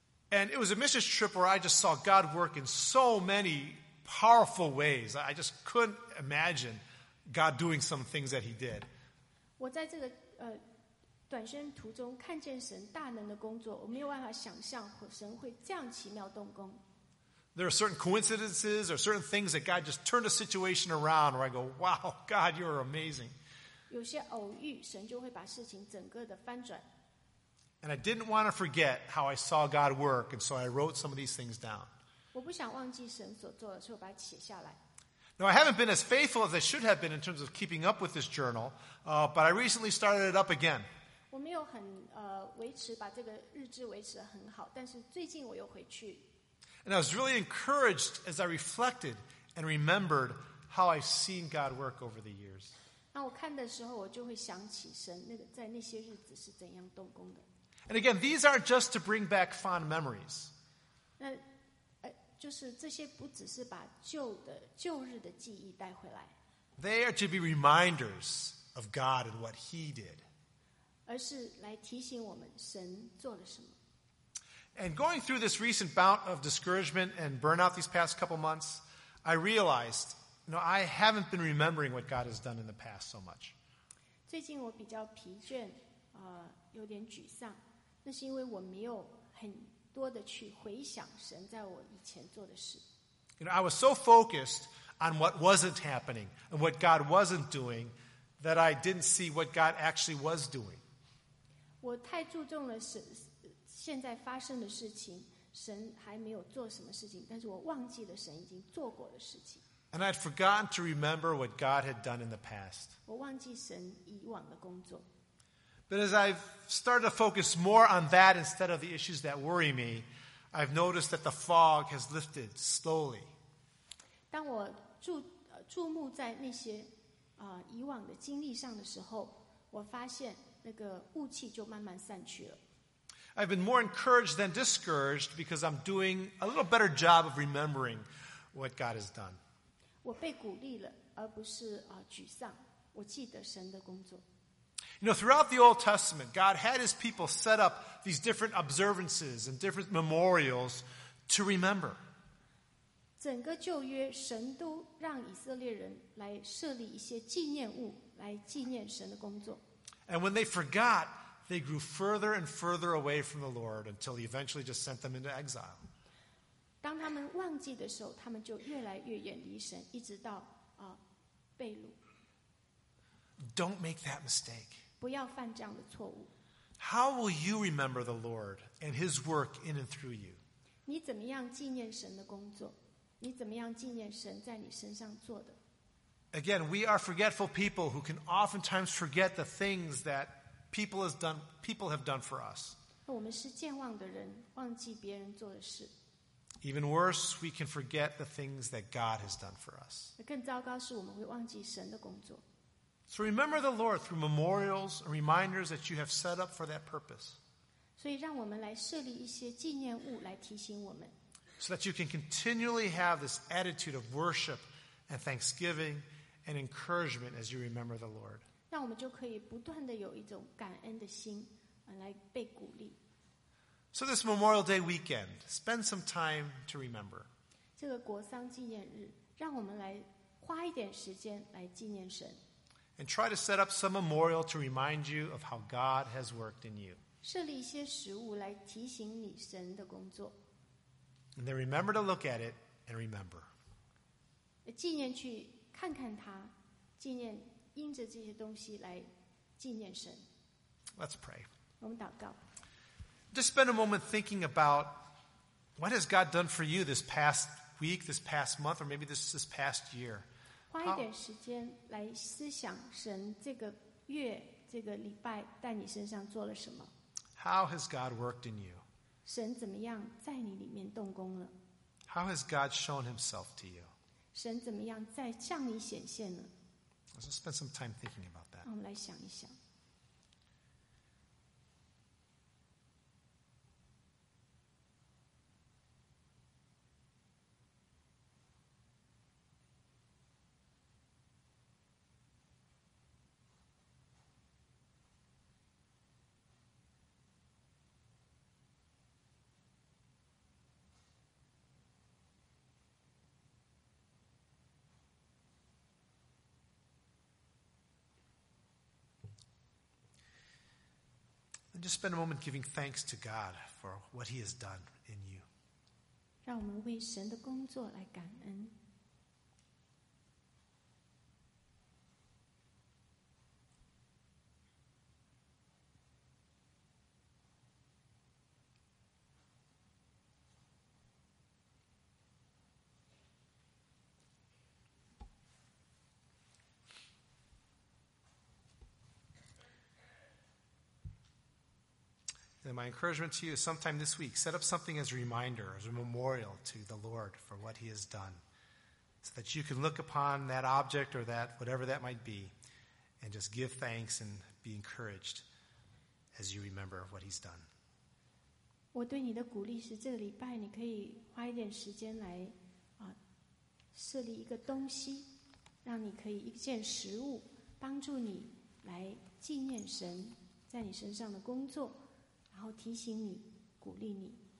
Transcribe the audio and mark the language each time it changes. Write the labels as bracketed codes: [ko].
[en] And it was a missions trip where I just saw God work in so many powerful ways. I just couldn't imagine God doing some things that he did. [zh] 我在这个短宣途中看见神大能的工作，我没有办法想象神会这样奇妙动工。 [en] There are certain coincidences or certain things that God just turned a situation around where I go, wow, God, you are amazing. [zh] 有些偶遇，神就会把事情整个的翻转。 [en] And I didn't want to forget how I saw God work, and so I wrote some of these things down. [zh] 我不想忘记神所做的，所以我把它写下来。 [en] Now, I haven't been as faithful as I should have been in terms of keeping up with this journal, but I recently started it up again. [zh] 我没有很维持把这个日志维持得很好，但是最近我又回去。 [en] And I was really encouraged as I reflected and remembered how I've seen God work over the years. [zh] 那我看的时候，我就会想起神那个在那些日子是怎样动工的。 [en] And again, these aren't just to bring back fond memories. [zh] 那就是这些不只是把旧日的记忆带回来。 [en] They are to be reminders of God and what He did. [zh] 而是来提醒我们神做了什么。 [en] And going through this recent bout of discouragement and burnout these past couple months, I realized, you know, I haven't been remembering what God has done in the past so much. [zh] 最近我比较疲倦，有点沮丧，那是因为我没有很多的去回想神在我以前做的事。 [en] You know, I was so focused on what wasn't happening and what God wasn't doing that I didn't see what God actually was doing. [zh] 我太注重了神现在发生的事情，神还没有做什么事情，但是我忘记了神已经做过的事情。 [en] And I'd forgotten to remember what God had done in the past. [zh] 我忘记神以往的工作。 [en] But as I've started to focus more on that instead of the issues that worry me, I've noticed that the fog has lifted slowly. [zh] 当我注目在那些以往的经历上的时候，我发现那个雾气就慢慢散去了。 [en] I've been more encouraged than discouraged because I'm doing a little better job of remembering what God has done. [zh] 我被鼓励了，而不是沮丧。我记得神的工作。 [en] You know, throughout the Old Testament, God had His people set up these different observances and different memorials to remember. [zh] 整个旧约，神都让以色列人来设立一些纪念物，来纪念神的工作。 [en] And when they forgot, they grew further and further away from the Lord until He eventually just sent them into exile. [zh] 当他们忘记的时候，他们就越来越远离神，一直到被掳。 [en] Don't make that mistake. [zh] 不要犯这样的错误。 [en] How will you remember the Lord and His work in and through you? [zh] 你怎么样纪念神的工作？你怎么样纪念神在你身上做的？ [en] Again, we are forgetful people who can oftentimes forget the things that people have done for us. [zh] 我们是健忘的人，忘记别人做的事。 [en] Even worse, we can forget the things that God has done for us. [zh] 更糟糕是我们会忘记神的工作。 [en] So remember the Lord through memorials and reminders that you have set up for that purpose. [zh] 所以让我们来设立一些纪念物来提醒我们。 [en] So that you can continually have this attitude of worship and thanksgiving and encouragement as you remember the Lord. [zh] 让我们就可以不断地有一种感恩的心来被鼓励。 [en] So this Memorial Day weekend, spend some time to remember. [zh] 这个国丧纪念日，让我们来花一点时间来纪念神。 [en] And try to set up some memorial to remind you of how God has worked in you. [zh] 设立一些食物来提醒你神的工作。 [en] And then remember to look at it and remember. [zh] 纪念去看看它，纪念因着这些东西来纪念神。 [en] Let's pray. [zh] 我们祷告。 [en] Just spend a moment thinking about what has God done for you this past week, this past month, or maybe this past year. [zh] 花一点时间来思想神这个月、这个礼拜在你身上做了什么。 [en] How has God worked in you? [zh] 神怎么样在你里面动工了。 [en] How has God shown himself to you? [zh] 神怎么样在向你显现呢。 [en] Let's spend some time thinking about that. [zh] 我们来想一想。 [en] Just spend a moment giving thanks to God for what He has done in you. [zh] 让我们为神的工作来感恩。 [en] And my encouragement to you is sometime this week, set up something as a reminder, as a memorial to the Lord for what he has done, so that you can look upon that object or that, whatever that might be, and just give thanks and be encouraged as you remember what he's done. [zh] 我对你的鼓励是这个礼拜你可以花一点时间来设立一个东西，让你可以一件食物帮助你来纪念神在你身上的工作。然后提醒你，鼓励你。